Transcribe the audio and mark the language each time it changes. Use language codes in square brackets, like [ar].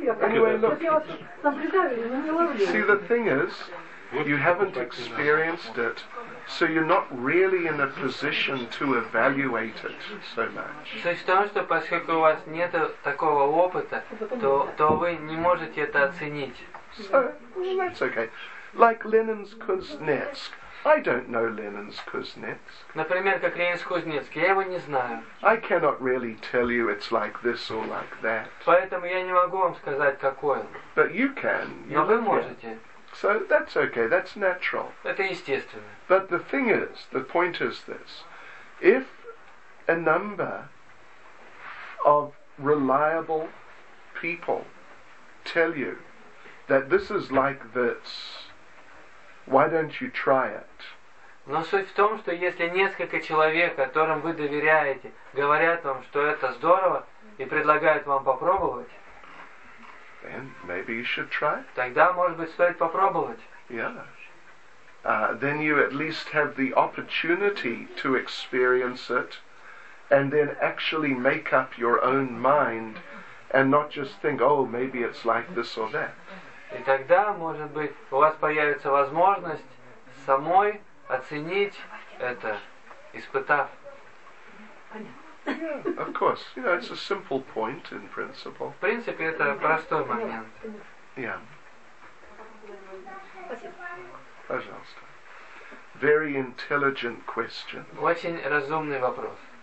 [en] See, the thing is, you haven't experienced it, so you're not really in a position to evaluate it so much. [ru] То есть то, что поскольку у вас нет такого опыта, то вы не можете это оценить. [en] So that's okay. Like Lenin's Kuznetsk. I don't know Lenin's Kuznetsk. [ru] Например, как Ленинск Кузнецк, я его не знаю. [en] I cannot really tell you it's like this or like that. [ru] Поэтому я не могу вам сказать, какой он. [en] But you can. [ru] Но вы можете. [en] So that's okay, that's natural. [ru] Это естественно. [en] But the thing is, the point is this. If a number of reliable people tell you that this is like this, why don't you try it? [ru] Но суть в том, что если несколько человек, которым вы доверяете, говорят вам, что это здорово, и предлагают вам попробовать, [en] then maybe you should try. [ru] Тогда, может быть, стоит попробовать. [en] Yeah. Then you at least have the opportunity to experience it, and then actually make up your own mind, and not just think, oh, maybe it's like this or that. [ru] И тогда, может быть, у вас появится возможность самой оценить это, испытав. [en] Yeah, of course. You know, it's a simple point in principle. [ru] В принципе, это простой момент. [en] Yeah. [ru] Пожалуйста. [en] Very intelligent question. [ru] Очень разумный вопрос.